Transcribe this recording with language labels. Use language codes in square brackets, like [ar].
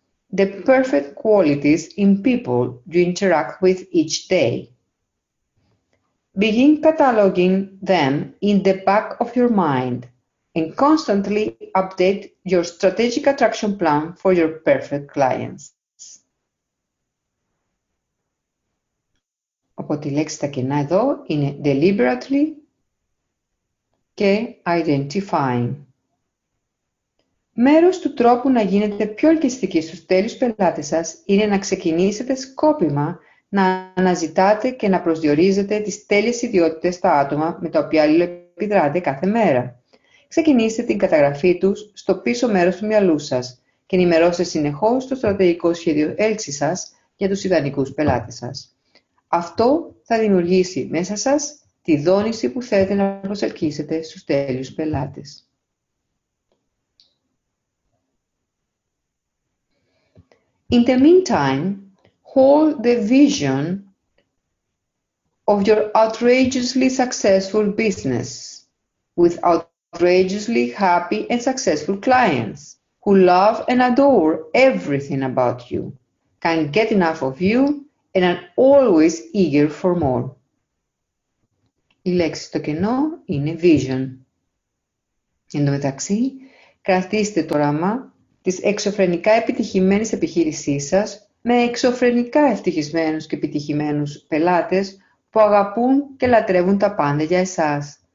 [en] the perfect qualities in people you interact with each day. Begin cataloging them in the back of your mind and constantly update your strategic attraction plan for your perfect clients. [el] Οπότε η λέξη τα κενά εδώ είναι deliberately και identifying. Μέρος του τρόπου να γίνετε πιο ελκυστικοί στους τέλειους πελάτες σας είναι να ξεκινήσετε σκόπιμα να αναζητάτε και να προσδιορίζετε τις τέλειες ιδιότητες στα άτομα με τα οποία αλληλεπιδράτε κάθε μέρα. Ξεκινήστε την καταγραφή τους στο πίσω μέρος του μυαλού σας και ενημερώστε συνεχώς το στρατηγικό σχέδιο έλξης σας για τους ιδανικούς πελάτες σας. Αυτό θα δημιουργήσει μέσα σας τη δόνηση που θέλετε να προσελκύσετε στους τέλειους πελάτες. [en] In the meantime, hold the vision of your outrageously successful business with outrageously happy and successful clients who love and adore everything about you, can't get enough of you, and are always eager for more. [el] Η λέξη στο κενό είναι vision. Εν τω μεταξύ, κρατήστε το όραμα της εξωφρενικά επιτυχημένης επιχείρησής σας με εξωφρενικά ευτυχισμένους και επιτυχημένους πελάτες που αγαπούν και λατρεύουν τα πάντα για εσάς.